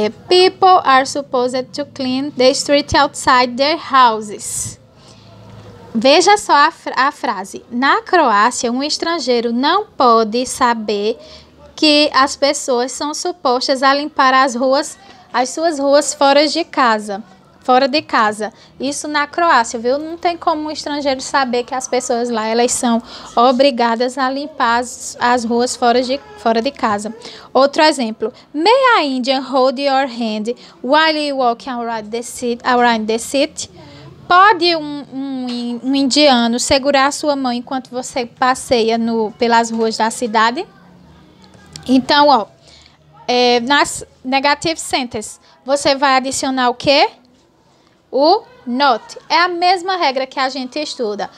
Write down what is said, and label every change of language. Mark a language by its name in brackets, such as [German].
[English] People are supposed to clean the street outside their houses. [Portuguese] Veja só a frase. Na Croácia, um estrangeiro não pode saber que as pessoas são supostas a limpar as suas ruas fora de casa. fora de casa. Isso na Croácia, viu? Não tem como um estrangeiro saber que as pessoas lá, elas são obrigadas a limpar as ruas fora de casa. Outro exemplo. [English] May a Indian hold your hand while you walk around the city? [Portuguese] Pode um indiano segurar a sua mão enquanto você passeia pelas ruas da cidade? Então, ó. Nas [English] negative sentences, [Portuguese] você vai adicionar o quê? O not. É a mesma regra que a gente estuda.